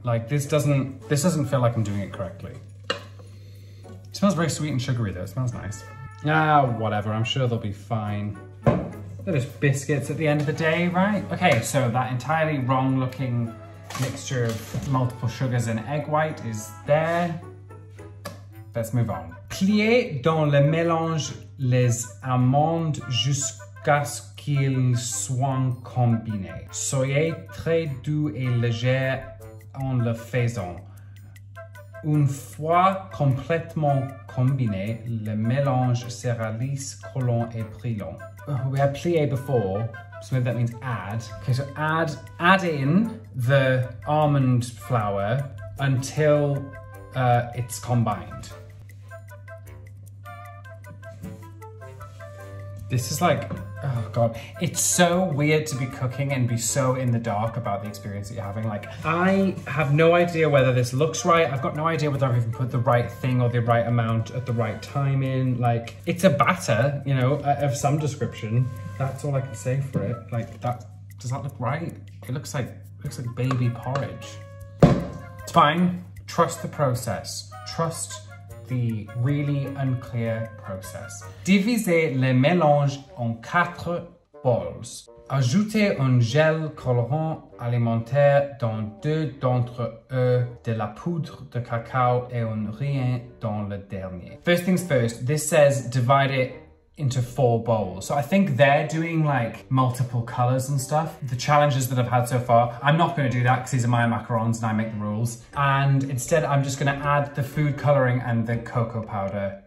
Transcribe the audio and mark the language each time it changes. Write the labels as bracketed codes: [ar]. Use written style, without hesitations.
[en] Like this doesn't feel like I'm doing it correctly. It smells very sweet and sugary though, it smells nice. Ah, whatever, I'm sure they'll be fine. They're just biscuits at the end of the day, right? Okay, so that entirely wrong looking mixture of multiple sugars and egg white is there. Let's move on. [fr] Plier dans le mélange les amandes jusqu'à ce qu'il soit combiné. Soyez très doux et léger en le faisant. Une fois complètement combiné, le mélange sera lisse, collant et brillant. [en] We had plié before, so maybe that means add. Okay, so add in the almond flour until it's combined. This is like, oh God. It's so weird to be cooking and be so in the dark about the experience that you're having. Like, I have no idea whether this looks right. I've got no idea whether I've even put the right thing or the right amount at the right time in. Like, it's a batter, you know, of some description. That's all I can say for it. Like, that, does that look right? It looks like baby porridge. It's fine. Trust the process. Trust the really unclear process. [fr] Divisez le mélange en quatre bols. Ajoutez un gel colorant alimentaire dans deux d'entre eux, de la poudre de cacao et un rien dans le dernier. [en] First things first, this says divide it into four bowls. So I think they're doing like multiple colors and stuff. The challenges that I've had so far, I'm not gonna do that because these are my macarons and I make the rules. And instead I'm just gonna add the food coloring and the cocoa powder.